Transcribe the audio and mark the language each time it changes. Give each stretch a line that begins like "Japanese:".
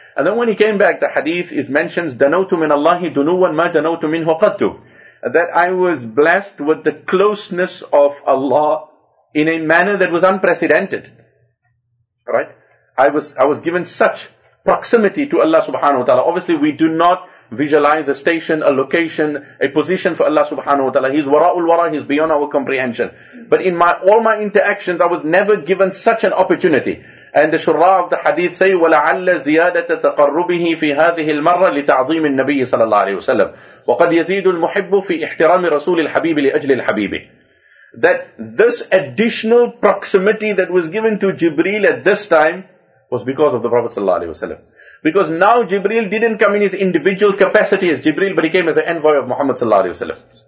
English: And then when he came back, the hadith is mentions,
Arabic: دَنَوْتُ مِنَ اللَّهِ دُنُوًا مَا دَنَوْتُ مِنْهُ قَدُّ,
English: that I was blessed with the closeness of Allah in a manner that was unprecedented. Right? I was given such proximity to Allah subhanahu wa ta'ala. Obviously, we do not visualize a station, a location, a position for Allah subhanahu wa ta'ala. He's wara'ul wara, He's beyond our comprehension. But in all my interactions, I was never given such an opportunity. And the shura of the hadith say,
Arabic: وَلَعَلَّ زِيَادَةَ تَقَرُّبِهِ فِي هَذِهِ الْمَرَّةِ لِتَعْظِيمِ النَّبِيِّ صلى الله عليه وسلم. وَقَدْ يَزِيدُ الْمُحِبُّ فِي إِحْتِرَامِ رَسُولِ الْحَبِيبِ لِأَجْلِ الْحَبِيبِ.
English: That this additional proximity that was given to Jibreel at this time was because of the Prophet sallallahu alaihi wasallam. Because now Jibreel didn't come in his individual capacity as Jibreel, but he came as an envoy of Muhammad sallallahu alaihi wasallam.